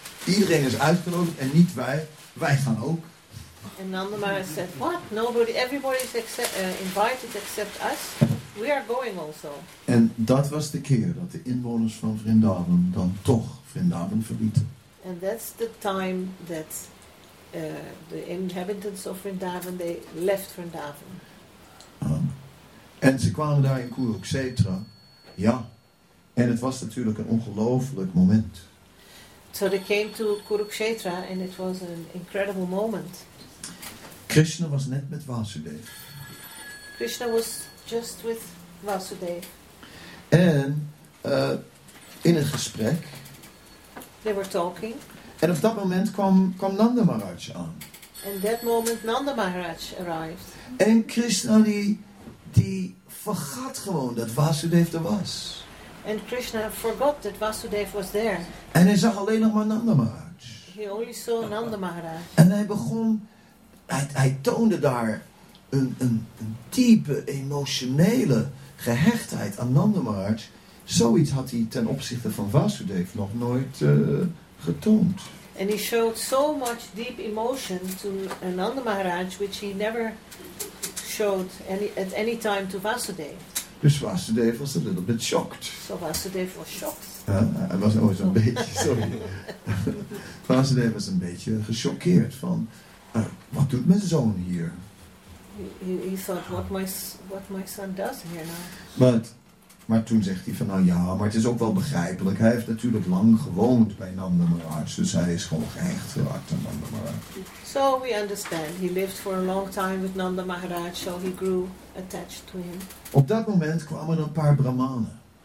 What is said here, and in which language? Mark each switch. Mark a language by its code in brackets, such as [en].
[nl] Iedereen is uitgenodigd en niet wij. Wij gaan ook. [en] En Nanda Maharaj said, what? Nobody, everybody is invited except us. We are going also. [nl] En dat was de keer dat de inwoners van Vrindavan dan toch Vrindavan verlieten. [en] And that's the time that the inhabitants of Vrindavan, they left Vrindavan. [nl] En ze kwamen daar in Kurukshetra. Ja. En het was natuurlijk een ongelooflijk moment. [en] So they came to Kurukshetra and it was an incredible moment. [nl] Krishna was net met Vasudev. [en] Krishna was just with Vasudev. [nl] En in een gesprek. [en] They were talking. [nl] En op dat moment kwam Nanda Maharaj aan. [en] And that moment Nanda Maharaj arrived. [nl] En Krishna die vergat gewoon dat Vasudev er was. [en] And Krishna forgot that Vasudev was there. [nl] En hij zag alleen nog maar Nanda Maharaj. [en] He only saw Nanda Maharaj. [nl] En hij begon, hij toonde daar een diepe emotionele gehechtheid aan Nanda Maharaj. Zoiets had hij ten opzichte van Vasudev nog nooit getoond. [en] And he showed so much deep emotion to Nanda Maharaj, which he never showed at any time to Vasudev. [nl] Dus Vasudev was een [en] little bit shocked. So Vasudev was shocked. [nl] Hij was ooit een beetje, sorry. Vasudev was een beetje gechoqueerd van, wat doet mijn zoon hier? [en] He thought, what my son does here now. [nl] Maar toen zegt hij van, nou ja, maar het is ook wel begrijpelijk. Hij heeft natuurlijk lang gewoond bij Nanda Maharaj. Dus hij is gewoon gehecht geraakt aan Nanda Maharaj. [en] So we understand. He lived for a long time with Nanda Maharaj. So he grew attached to him. [nl] Op dat moment kwamen een paar brahmanen.